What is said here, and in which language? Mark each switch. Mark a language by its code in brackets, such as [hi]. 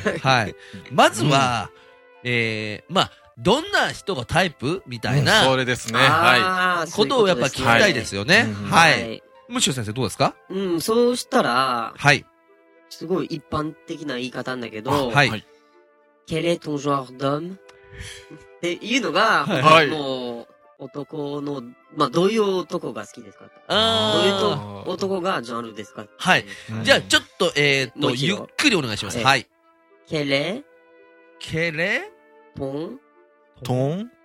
[ja] はい。まずは、うん、まあ、どんな人がタイプみたいな、うん。それですね。はい。ことをやっぱ聞きたいですよね。はい。むしろ先生どうですか？うん、そうしたら、はい。すごい一般的な言い方なんだけど、はい。 [fr] Quel est ton genre d'homme？ [ja] っていうのが、はい。はい、もう、男の、まあ、どういう男が好きですか？あ、どういうと男がジャンルですか？はい、うん。じゃあ、ちょっと、ゆっくりお願いします。はい。ケレケレトントン